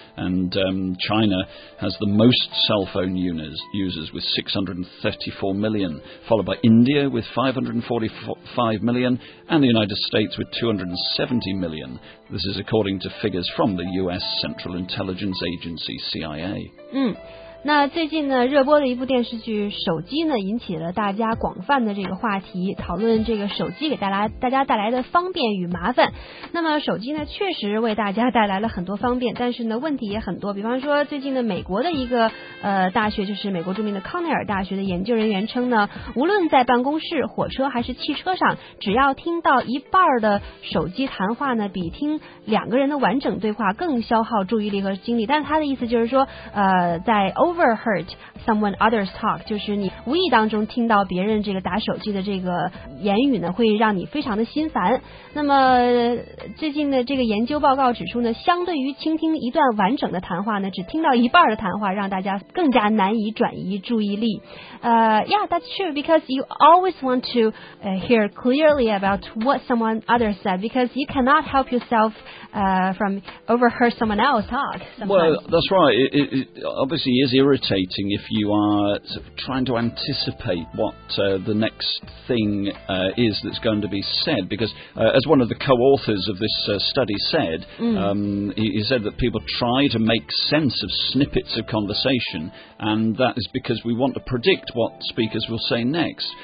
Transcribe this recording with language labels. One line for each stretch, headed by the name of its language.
English: And China has the most cell phone users with 634 million, followed by India with 545 million, and the United States with 270 million. This is according to figures from the U.S. Central Intelligence Agency, CIA.
Chinese: 那最近呢，热播的一部电视剧《手机》呢，引起了大家广泛的这个话题，讨论这个手机给大家带来的方便与麻烦。那么手机呢，确实为大家带来了很多方便，但是呢，问题也很多。比方说，最近的美国的一个大学，就是美国著名的康奈尔大学的研究人员称呢，无论在办公室、火车还是汽车上，只要听到一半的手机谈话呢，比听两个人的完整对话更消耗注意力和精力。但他的意思就是说，在
English: overheard someone others talk，
Chinese: 就是你无意当中听到别人这个打手机的这个言语呢，会让你非常的心烦。那么最近的这个研究报告指出呢，相对于倾听一段完整的谈话呢，只听到一半的谈话让大家更加难以转移注意力。
English: Yeah, that's true, because you always want to hear clearly about what someone others said, because you cannot help yourself from overheard someone else talk sometimes. Well, that's right. It obviously is irritating if you are sort of trying to anticipate what the next thing is that's going to be said, because as one of the co-authors of this study said, he said that people try to make sense of snippets of conversation, and that is because we want to predict what speakers will say next.